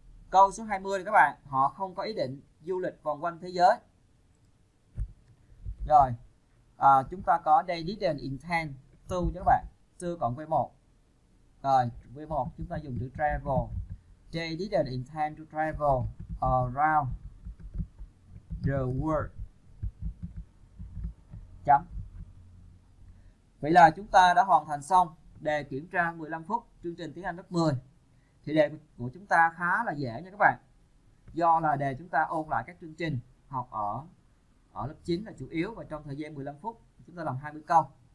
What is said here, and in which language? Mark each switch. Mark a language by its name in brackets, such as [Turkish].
[Vietnamese] Câu số 20 này các bạn, họ không có ý định du lịch vòng quanh thế giới. Rồi, chúng ta có [English] they didn't intend to [Vietnamese] cho các bạn, to cộng V1. Rồi, V1 chúng ta dùng chữ travel. [English] They didn't intend to travel around the world. [Vietnamese] Chấm. Vậy là chúng ta đã hoàn thành xong đề kiểm tra 15 phút chương trình tiếng Anh lớp 10. Thì đề của chúng ta khá là dễ nha các bạn. Do là đề chúng ta ôn lại các chương trình học ở lớp 9 là chủ yếu, và trong thời gian 15 phút chúng ta làm 20 câu.